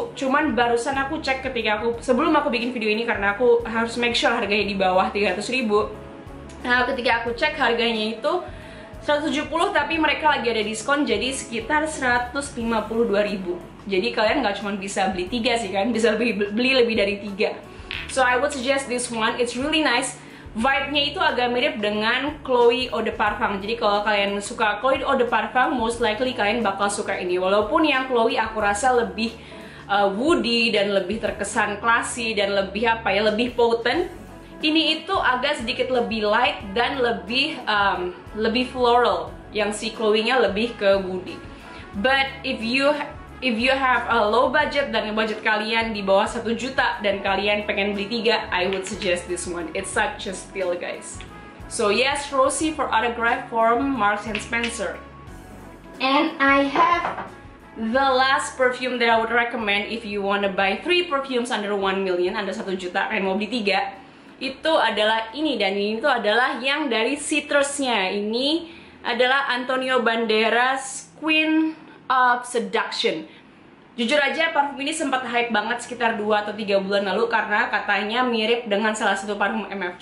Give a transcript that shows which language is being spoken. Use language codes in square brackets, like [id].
[id] Cuman barusan aku cek ketika aku, sebelum aku bikin video ini karena aku harus make sure harganya di bawah Rp300.000. Nah, ketika aku cek harganya itu Rp170.000 tapi mereka lagi ada diskon jadi sekitar Rp152.000. Jadi kalian nggak cuma bisa beli 3 sih kan, bisa beli lebih dari 3. [en] So I would suggest this one, it's really nice. [id] Vibe-nya itu agak mirip dengan Chloe Eau de Parfum. Jadi kalau kalian suka Chloe Eau de Parfum, [en] most likely [id] kalian bakal suka ini. Walaupun yang Chloe aku rasa lebih woody dan lebih terkesan classy dan lebih apa ya, lebih potent. Ini itu agak sedikit lebih light dan lebih lebih floral. Yang si Chloe-nya lebih ke woody. [en] But if you have a low budget [id] dan budget kalian di bawah 1 juta dan kalian pengen beli 3, [en] I would suggest this one. It's such a steal, guys. So yes, Rosy for Autograph from Marks & Spencer. And I have the last perfume that I would recommend if you wanna buy 3 perfumes under 1 million, under 1 juta, and [id] mau beli 3. Itu adalah ini, dan ini tuh adalah yang dari citrusnya. Ini adalah Antonio Banderas Queen of Seduction. Jujur aja parfum ini sempat hype banget sekitar 2 atau 3 bulan lalu karena katanya mirip dengan salah satu parfum MF.